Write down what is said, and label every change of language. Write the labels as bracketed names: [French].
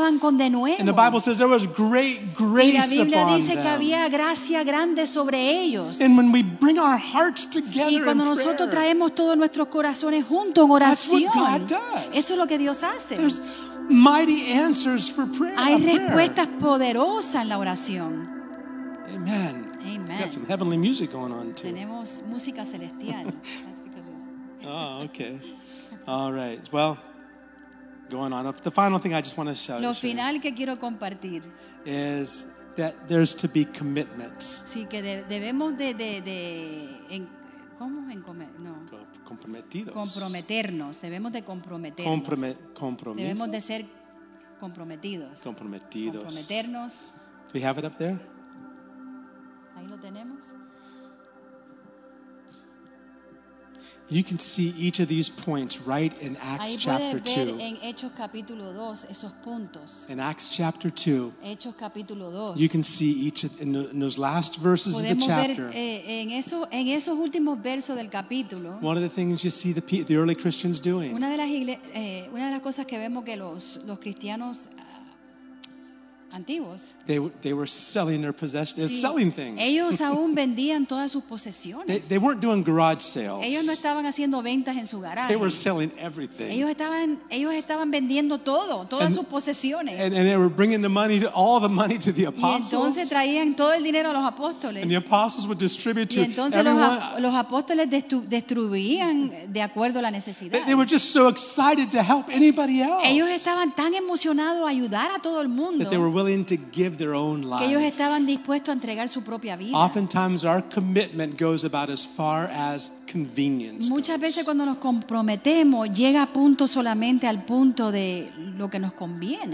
[English] And the Bible says there was great grace upon them. [Spanish] Y la Biblia dice que había gracia grande sobre ellos. [English] And when we bring our hearts together, [Spanish] y cuando [English] in [Spanish] nosotros [English] prayer, [Spanish] traemos todos nuestros corazones juntos en oración, [English] that's what God does. [Spanish] Eso es lo que Dios hace. [English] There's mighty answers for prayer. [Spanish] Hay respuestas poderosas en la oración. [English] Amen. [Spanish] Amen. [English] We got some heavenly music going on too. [Spanish] Tenemos música celestial. [English] Oh, okay. All right. Well, going on. The final thing I just want to show. [Spanish] Lo final que quiero compartir [English] is that there's to be commitment. [Spanish] Sí, que debemos de en, ¿cómo en no? Comprometidos. Comprometernos. Debemos de comprometernos. Compromiso. Debemos de ser comprometidos. Comprometidos. Comprometernos. [English] Do we have it up there? [Spanish] Ahí lo tenemos. [English] You can see each of these points right in Acts chapter 2. [Spanish] Ahí puedes ver en Hechos capítulo 2 esos puntos. [English] In Acts chapter 2. [Spanish] Hechos capítulo 2. [English] You can see each of, in those last verses of the chapter. [Spanish] Podemos ver en esos últimos versos del capítulo. [English] One of the things you see the early Christians doing. [Spanish] Una de las cosas que vemos que los cristianos antiguos. [English] They were selling their possessions. Sí. Selling things. [Spanish] Ellos aún vendían todas sus posesiones. [English] They weren't doing garage sales. [Spanish] Ellos no estaban haciendo ventas en su garaje. [English] They were selling everything. [Spanish] Ellos estaban vendiendo todo, todas sus posesiones. [English] And they were bringing all the money to the apostles. [Spanish] Y entonces traían todo el dinero a los apóstoles. [English] And the apostles would distribute to everyone. [Spanish] Y entonces los apóstoles distribuían de acuerdo a la necesidad. [English] They were just so excited to help anybody else. [Spanish] Ellos estaban tan emocionados a ayudar a todo el mundo. [English] Were willing to give their own life. [Spanish] Que ellos estaban dispuestos a entregar su propia vida. [English] Oftentimes our commitment goes about as far as convenience. [Spanish] Muchas veces cuando nos comprometemos llega a punto solamente al punto de lo que nos conviene.